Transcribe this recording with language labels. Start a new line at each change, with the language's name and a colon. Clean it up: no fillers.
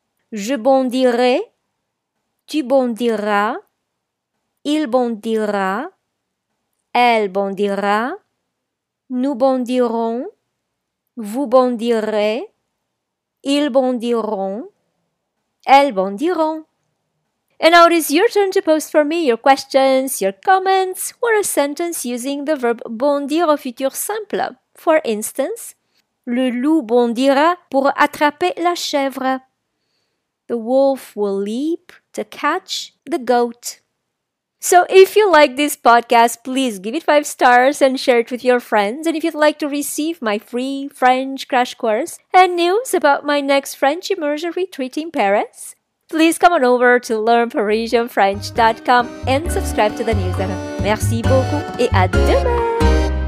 French: Je bondirai, tu bondiras, il bondira, elle bondira, nous bondirons, vous bondirez, ils bondiront, elles bondiront.
English: And now it is your turn to post for me your questions, your comments, or a sentence using the verb bondir
French: au futur simple.
English: For instance,
French: le loup bondira pour attraper la chèvre.
English: The wolf will leap to catch the goat. So if you like this podcast, please give it 5 stars and share it with your friends. And if you'd like to receive my free French crash course and news about my next French immersion retreat in Paris, please come on over to learnparisianfrench.com and subscribe to the newsletter.
French: Merci beaucoup et à demain!